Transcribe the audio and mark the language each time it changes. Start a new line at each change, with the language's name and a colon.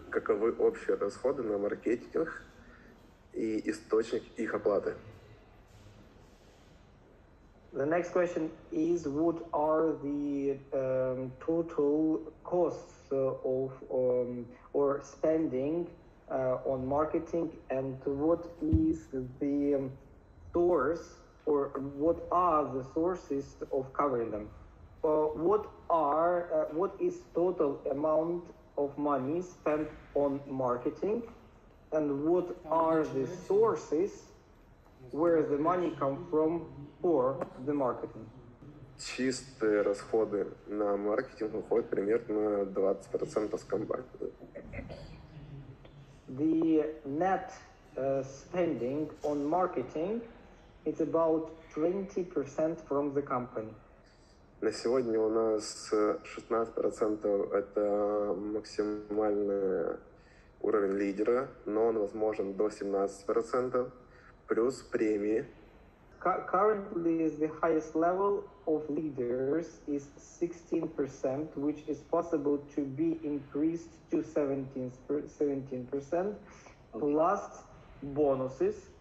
Russian: каковы общие расходы на маркетинг и источник их оплаты.
English: The next question is, what are the total costs of or spending on marketing, and what is the source or what are the sources of covering them? What is total amount of money spent on marketing, and what are the sources where the money come from for the marketing?
Russian: Чистые расходы на маркетинг уходят примерно 20% с компании.
English: The net spending on marketing is about 20% from the company.
Russian: На сегодня у нас 16% это максимальный уровень лидера, но он возможен до 17% плюс премии.
English: Currently the highest level of leaders is 16%, which is possible to be increased to 17% plus bonuses.